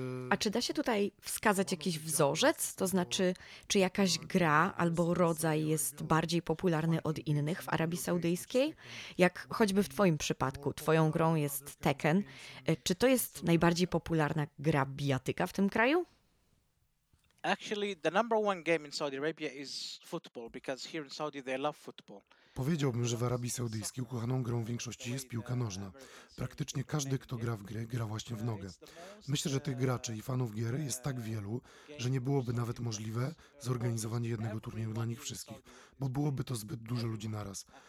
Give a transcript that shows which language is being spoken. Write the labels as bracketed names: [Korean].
[Polish] A czy da się tutaj wskazać jakiś wzorzec? To znaczy, czy jakaś gra albo rodzaj jest bardziej popularny od innych w Arabii Saudyjskiej? Jak choćby w twoim przypadku, twoją grą jest Tekken. Czy to jest najbardziej popularna gra bijatyka w tym kraju? [English] Actually, the number one game in Saudi Arabia is football, because here in Saudi they love football. [Polish] Powiedziałbym, że w Arabii Saudyjskiej ukochaną grą w większości jest piłka nożna. Praktycznie każdy, kto gra w gry, gra właśnie w nogę. Myślę, że tych graczy i fanów gier jest tak wielu, że nie byłoby nawet możliwe zorganizowanie jednego turnieju dla nich wszystkich, bo byłoby to zbyt dużo ludzi naraz.